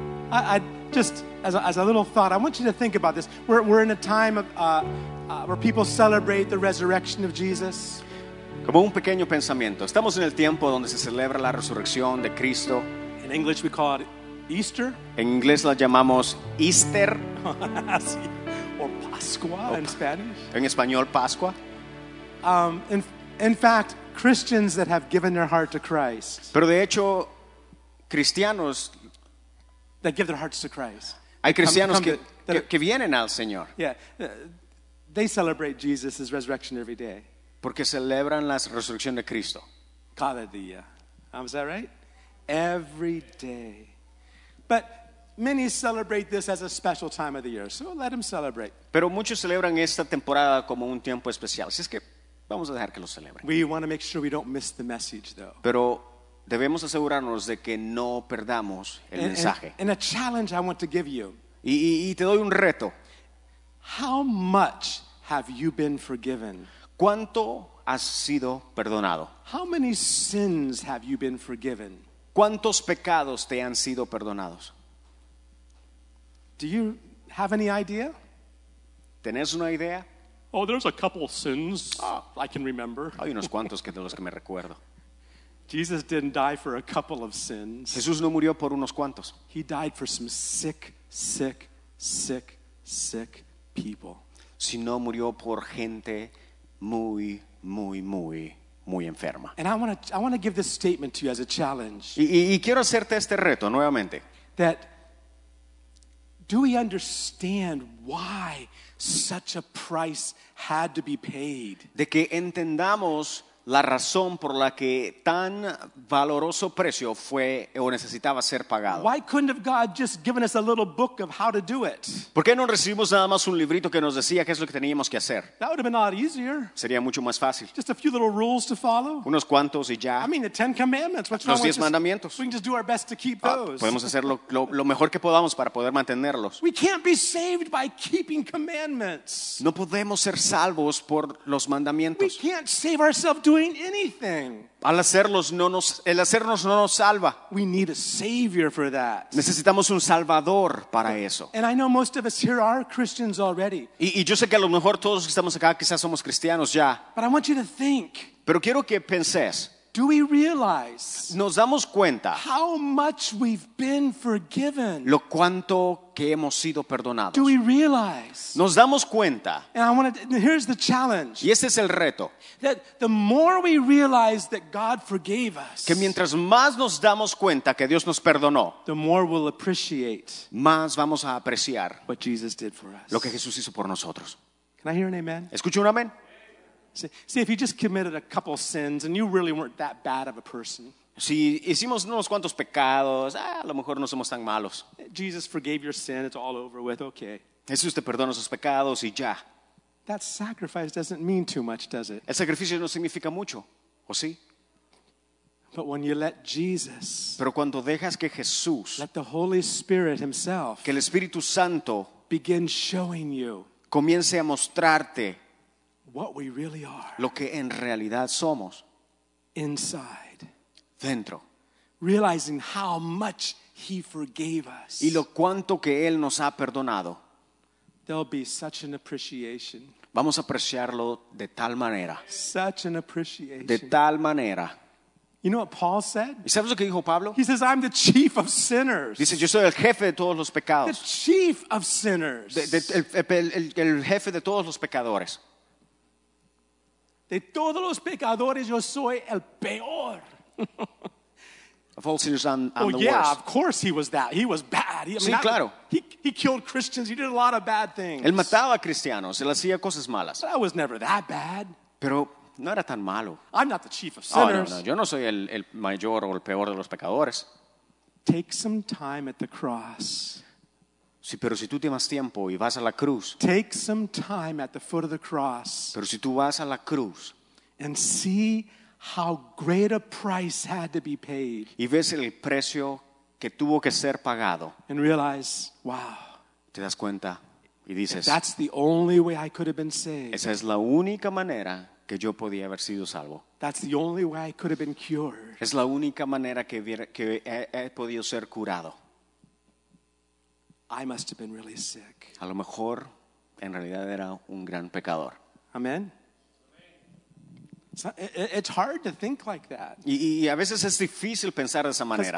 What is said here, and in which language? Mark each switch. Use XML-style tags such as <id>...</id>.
<en>I just as a little thought, I want you to think about this. We're in a time of where people celebrate the resurrection of Jesus.</en> <es>Como un pequeño pensamiento, estamos en el tiempo donde se celebra la resurrección de Cristo.</es> <en>In English we call it Easter.</en> <es>En inglés la llamamos Easter. Sí. O Pascua en Spanish. En español Pascua.</es> <en>In fact, Christians that have given their heart to Christ.</en> <es>Pero de hecho, cristianos</es> <en>that give their hearts to Christ.</en> <es>Hay cristianos que vienen al Señor.</es> <en>Yeah, they celebrate Jesus' resurrection every day.</en> <es>Porque celebran la resurrección de Cristo. Cada día.</es> <en>Is that right? Every day. But many celebrate this as a special time of the year. So let them celebrate.</en> <es>Pero muchos celebran esta temporada como un tiempo especial. Así es que vamos a dejar que lo celebren.</es> <en>We want to make sure we don't miss the message though.</en> <es>Pero debemos asegurarnos de que no perdamos el mensaje.</es> <en>And a challenge I want to give you.</en> <es>Y te doy un reto.</es> <en>How much have you been forgiven?</en> <es>¿Cuánto has sido perdonado?</es> <en>How many sins have you been forgiven?</en> <es>¿Cuántos pecados te han sido perdonados?</es> <en>Do you Have any idea?</en> <es>¿Tenés una idea?</es> <en>Oh, there's a couple of sins I can remember.</en> <es>Hay unos cuantos que de los que me recuerdo.</es> <en>Jesus didn't die for a couple of sins.</en> <es>Jesús no murió por unos cuantos.</es> <en>He died for some sick, sick, sick, sick people.</en> <es>Sino murió por gente muy, muy, muy, muy enferma.</es> <en>And I want to give this statement to you as a challenge.</en> <es>Y quiero hacerte este reto nuevamente.</es> <en>That do we understand why such a price had to be paid?</en> <es>De que entendamos la razón por la que tan valoroso precio fue o necesitaba ser pagado.</es> <en>Why couldn't have God just given us a little book of how to do it?</en> <es>¿Por qué no recibimos nada más un librito que nos decía qué es lo que teníamos que hacer?</es> <en>That would have been a lot easier.</en> <es>Sería mucho más fácil.</es> <en>Just a few little rules to follow.</en> <es>Unos cuantos y ya.</es> <en>I mean, the Ten Commandments. What's</en> <es>los diez mandamientos.</es> <en>We can just do our best to keep those.</en> <es>Podemos hacer lo mejor que podamos para poder mantenerlos.</es> <en>We can't be saved by keeping commandments.</en> <es>No podemos ser salvos por los mandamientos.</es> <en>We can't save ourselves doing anything.</en> <es>Al hacerlos no nos, el hacernos no nos salva.</es> <en>We need a savior for that.</en> <es>Necesitamos un salvador para eso.</es> <en>And I know most of us here are Christians already.</en> <es>Y yo sé que a lo mejor todos que estamos acá quizás somos cristianos ya.</es> <en>But I want you to think.</en> <es>Pero quiero que penses.</es> <en>Do we realize?</en> <es>Nos damos cuenta.</es> <en>How much we've been forgiven.</en> <es>Lo cuánto que hemos sido perdonados.</es> <en>Do we realize?</en> <es>Nos damos cuenta.</es> <en>And I want to, here's the challenge.</en> <es>Y este es el reto.</es> <en>That the more we realize that God forgave us.</en> <es>Que mientras más nos damos cuenta que Dios nos perdonó.</es> <en>The more we'll appreciate.</en> <es>Más vamos a apreciar.</es> <en>What Jesus did for us.</en> <es>Lo que Jesús hizo por nosotros.</es> <en>Can I hear an amen?</en> <es>¿Escucho un amén?</es> <en>See, if you just committed a couple sins and you really weren't that bad of a person.</en> <es>Si hicimos unos cuantos pecados, a lo mejor no somos tan malos.</es> <en>Jesus forgave your sin, it's all over with, okay.</en> <es>Jesús te perdona sus pecados y ya.</es> <en>That sacrifice doesn't mean too much, does it?</en> <es>El sacrificio no significa mucho, ¿o sí?</es> <en>But when you let Jesus,</en> <es>pero cuando dejas que Jesús,</es> <en>let the Holy Spirit himself,</en> <es>que el Espíritu Santo,</es> <en>begin showing you,</en> <es>comience a mostrarte</es> <en>what we really are.</en> <es>Lo que en realidad somos.</es> <en>Inside.</en> <es>Dentro.</es> <en>Realizing how much he forgave us.</en> <es>Y lo cuánto que él nos ha perdonado.</es> <en>There'll be such an appreciation.</en> <es>Vamos a apreciarlo de tal manera.</es> <en>Such an appreciation.</en> <es>De tal manera.</es> <en>You know what Paul said?</en> <es>¿Y sabes lo que dijo Pablo?</es> <en>He says, I'm the chief of sinners.</en> <es>Dice, yo soy el jefe de todos los pecados.</es> <en>The chief of sinners.</en> <es>El jefe de todos los pecadores. De todos los pecadores, yo soy el peor.</es> <en>Of all sinners, I'm the worst. Oh yeah, of course he was that. He was bad.</en> <es>Sí, claro.</es> <en>He killed Christians. He did a lot of bad things.</en> <es>Él mataba cristianos. Él hacía cosas malas.</es> <en>But I was never that bad.</en> <es>Pero no era tan malo.</es> <en>I'm not the chief of sinners.</en> <es>Oh, no, no. Yo no soy el mayor o el peor de los pecadores.</es> <en>Take some time at the cross.</en> <es>Sí, pero si tú tienes tiempo y vas a la cruz.</es> <en>Take some time at the foot of the cross.</en> <es>Pero si tú vas a la cruz.</es> <en>And see how great a price had to be paid.</en> <es>Y ves el precio que tuvo que ser pagado.</es> <en>And realize, wow.</en> <es>Te das cuenta y dices.</es> <en>If that's the only way I could have been saved.</en> <es>Esa es la única manera que yo podía haber sido salvo.</es> <en>That's the only way I could have been cured.</en> <es>Es la única manera que he podido ser curado.</es> <en>I must have been really sick.</en> <es>A lo mejor, en realidad era un gran pecador.</es> <en>Amen. It's hard to think like that.</en> <es>Y a veces es difícil pensar de esa manera.</es>